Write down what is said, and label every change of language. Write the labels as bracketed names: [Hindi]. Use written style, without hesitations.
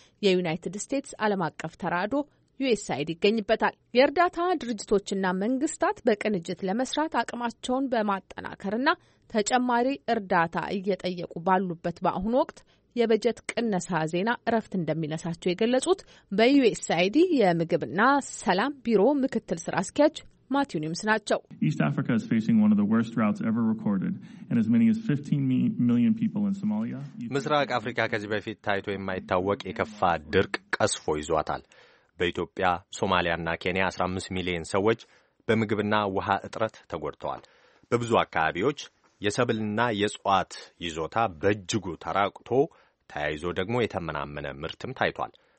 [Amharic] የዩናይትድ ስቴትስ ዓለም አቀፍ ተራድኦ ዩኤስአይዲ ይገኝበታል። የእርዳታ ድርጅቶችና መንግስታት በቅንጅት ለመስራት አቅማቸውን በማጠናከርና ተጨማሪ እርዳታ እየጠየቁ ባሉበት በአሁን ወቅት የበጀት ቅነሳ ዜና ረፍት እንደሚነሳቸው የገለጹት በዩኤስአይዲ የምግብና ሰላም ቢሮ ምክትል ስራ አስኪያጅ ማቲው ኒምስ ናቸው። [English] East Africa is facing one of the worst droughts ever recorded and as many as 15 million people in Somalia. [Amharic] ምስራቅ አፍሪካ ከዚህ በፊት ታይቶ የማይታወቅ የከፋ ድርቅ ቀስፎ ይዟታል። በኢትዮጵያ፣ ሶማሊያና ኬንያ 15 ሚሊዮን ሰዎች በምግብና ውሃ እጥረት ተጎድተዋል። በብዙ አካባቢዎች የሰብልና የጽዋት ይዞታ በእጅጉ ተራቅቶ ተያይዞ ደግሞ የተመናመነ ምርትም ታይቷል።